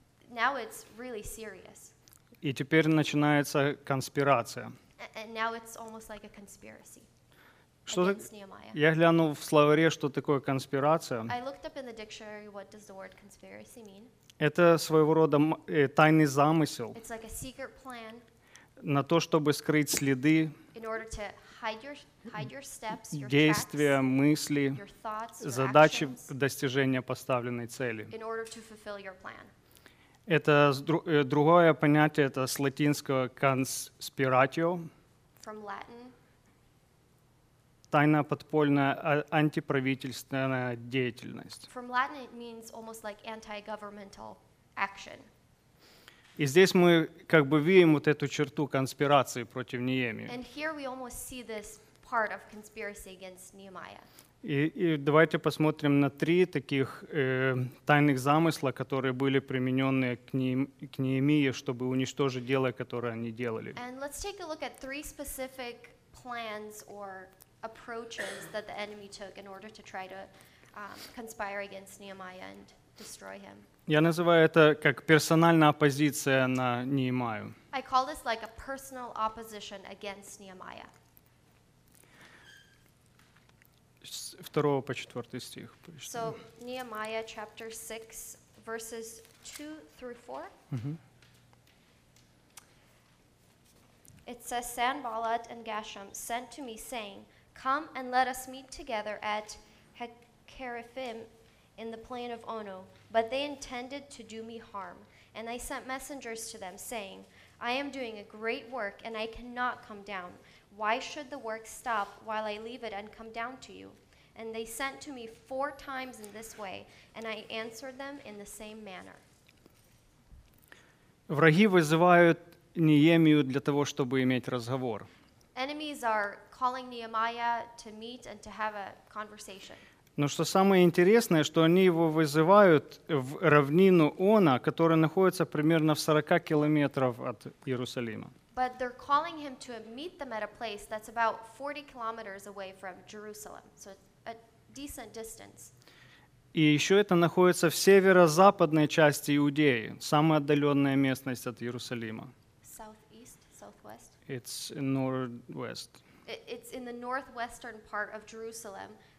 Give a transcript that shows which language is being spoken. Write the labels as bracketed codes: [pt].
[en] Now it's really serious. [ru] И теперь начинается конспирация. [en] And now it's almost like a conspiracy. [ru] Что я глянул в словаре, что такое конспирация. [en] I looked up in the dictionary, what does the word conspiracy mean? [ru] Это своего рода тайный замысел. [en] It's like a secret plan. [ru] На то, чтобы скрыть следы. [en] In order to hide your steps, your [ru] действия, [en] tracks, [ru] мысли, [en] your thoughts, your [ru] задачи [en] actions, [ru] достижения поставленной цели. [en] In order to fulfill your plan. [ru] Это другое понятие, это с латинского conspiratio. [en] From Latin. [ru] Тайная подпольная антиправительственная деятельность. [en] From Latin it means almost like anti-governmental action. [ru] И здесь мы как бы видим вот эту черту конспирации против Неемии. [en] And here we almost see this part of conspiracy against Nehemiah. [ru] И давайте посмотрим на три таких тайных замысла, которые были применены к Неемии, чтобы уничтожить дело, которое они делали. [en] And let's take a look at three specific plans or approaches that the enemy took in order to try to conspire against Nehemiah and destroy him. [ru] Я называю это как персональная оппозиция на Неемию. [en] I call this like a personal opposition against Nehemiah. [ru] С 2 по 4 стих. [en] So, Nehemiah chapter 6, verses 2-4. Mm-hmm. It says, Sanballat and Geshem sent to me, saying, come and let us meet together at Hakarifim in the plain of Ono. But they intended to do me harm. And I sent messengers to them, saying, I am doing a great work, and I cannot come down. Why should the work stop while I leave it and come down to you? And they sent to me four times in this way, and I answered them in the same manner. [ru] Враги вызывают Неемию для того, чтобы иметь разговор. [en] Enemies are calling Nehemiah to meet and to have a conversation. [ru] Но что самое интересное, что они его вызывают в равнину Она, которая находится примерно в 40 километров от Иерусалима. [en] But they're calling him to meet them at a place that's about 40 kilometers away from Jerusalem. So it's a decent distance. [ru] И еще это находится в северо-западной части Иудеи, самая отдаленная местность от Иерусалима. [en] Southeast, southwest. It's northwest. It's in the northwestern part of Jerusalem.